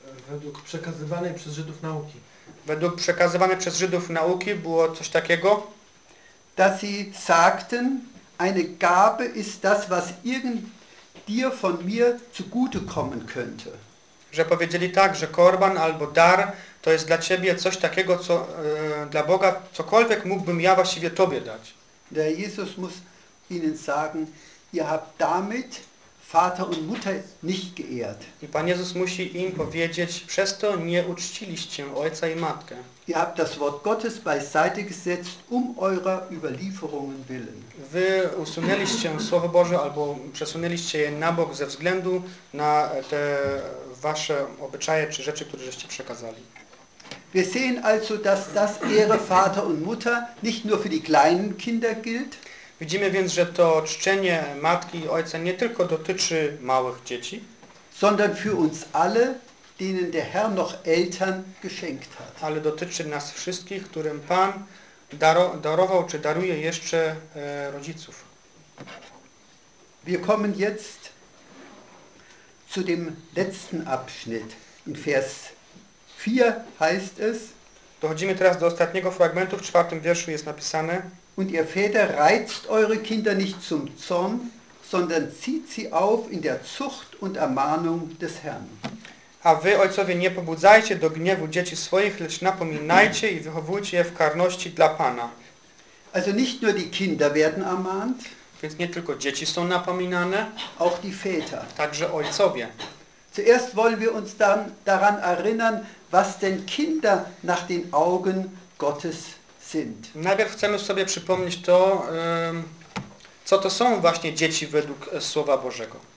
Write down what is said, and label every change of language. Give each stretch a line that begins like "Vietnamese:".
Polish: według przekazywanej przez Żydów nauki. Według przekazywanej przez Żydów nauki było coś takiego,
German: dass sie sagten, eine Gabe ist das, was irgend dir von mir zugute kommen könnte.
Polish: Że powiedzieli tak, że korban albo dar to jest dla ciebie coś takiego, co dla Boga cokolwiek mógłbym ja właściwie tobie dać.
German: Der Jesus muss ihnen sagen, ihr habt damit Vater und Mutter nicht geehrt.
Polish: I Pan Jezus musi im powiedzieć, przez to nie uczciliście ojca i matkę.
German: Ihr habt das Wort Gottes beiseite gesetzt, um eurer Überlieferungen willen.
Polish: Wy usunęliście Słowo Boże, albo przesunęliście je na bok ze względu na te wasze obyczaje, czy rzeczy, które żeście przekazali.
German: Wir sehen also, dass das Ehre Vater und Mutter nicht nur für die kleinen Kinder gilt.
Polish: Widzimy więc, że to czczenie matki i ojca nie tylko dotyczy małych dzieci,
German: sondern für uns alle, denen der Herr noch Eltern geschenkt hat.
Polish: Ale dotyczy nas wszystkich, którym Pan darował czy daruje jeszcze rodziców.
German: Wir kommen jetzt zu dem letzten Abschnitt. In Vers 4 heißt es.
Polish: Dochodzimy teraz do ostatniego fragmentu. W czwartym wierszu jest napisane:
German: Und ihr Väter reizt eure Kinder nicht zum Zorn, sondern zieht sie auf in der Zucht und Ermahnung des Herrn.
Polish: A wy, ojcowie, nie pobudzajcie do gniewu dzieci swoich, lecz napominajcie i wychowujcie je w karności dla Pana.
German: Also nicht nur die Kinder werden ermahnt,
Polish: więc nie tylko dzieci są napominane,
German: auch die Väter.
Polish: Także ojcowie.
German: Zuerst wollen wir uns dann daran erinnern, was denn Kinder nach den Augen Gottes sind.
Polish: Najpierw chcemy sobie przypomnieć to, co to są właśnie dzieci według Słowa Bożego.